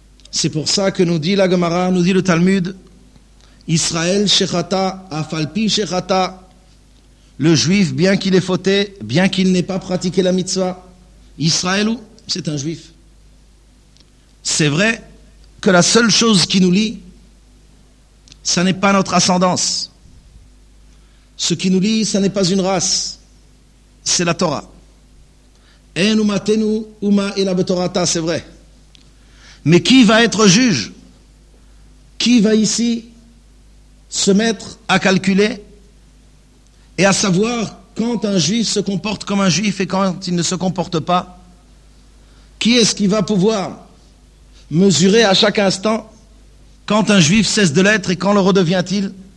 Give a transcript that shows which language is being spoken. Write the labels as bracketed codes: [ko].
[fr] C'est pour ça que nous dit la Gemara, nous dit le Talmud, [he] Israël Shechata, Afalpi Shechata, [fr] le juif, bien qu'il ait fauté, bien qu'il n'ait pas pratiqué la mitzvah, Israël, c'est un juif. C'est vrai que la seule chose qui nous lie, ça n'est pas notre ascendance. Ce qui nous lie, ça n'est pas une race, c'est la Torah. [he] En umatenu uma ela betorata, [fr] c'est vrai. Mais qui va être juge? Qui va ici se mettre à calculer et à savoir quand un juif se comporte comme un juif et quand il ne se comporte pas? Qui est-ce qui va pouvoir mesurer à chaque instant quand un juif cesse de l'être et quand le redevient-il?